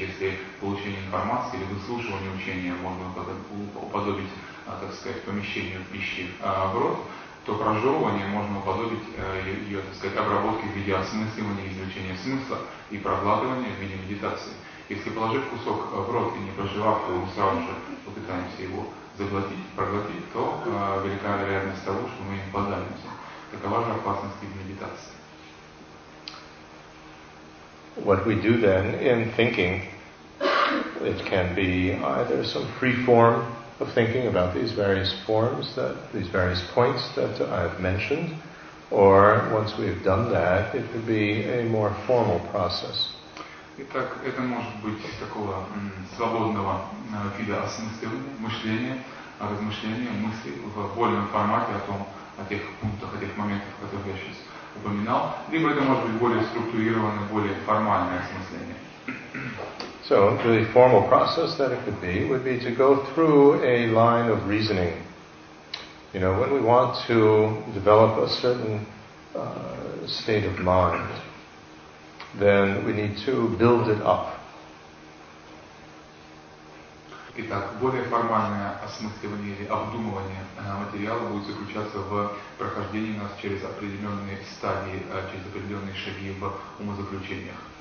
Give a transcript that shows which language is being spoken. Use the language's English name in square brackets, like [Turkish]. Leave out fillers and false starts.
[Russian] Если получение информации или выслушивание учения можно уподобить, так сказать, помещению пищи в рот, то прожевывание можно уподобить ее, так сказать, обработке в виде осмысливания и извлечения смысла и проглатывания в виде медитации. Если положив кусок в рот и не прожевав его, сразу же попытаемся его заглотить, проглотить, то велика вероятность того, что мы им подавимся. Такова же опасность в медитации. [English] What we do then in thinking, it can be either some free form of thinking about these various forms, that these various points that I've mentioned, or once we've done that, it could be a more formal process. [Russian] Итак, это может быть такого свободного вида осмысления, мышления, размышления, мысли в вольном формате о том, о тех пунктах, о тех моментах, которые я сейчас упоминал, либо это может быть более структурированное, более формальное осмысление. [English] So the formal process that it could be would be to go through a line of reasoning. You know, when we want to develop a certain state of mind, then we need to build it up. [Russian] Итак, более формальное осмысливание или обдумывание материала будет заключаться в прохождении нас через определенные стадии, через определенные шаги в умозаключениях.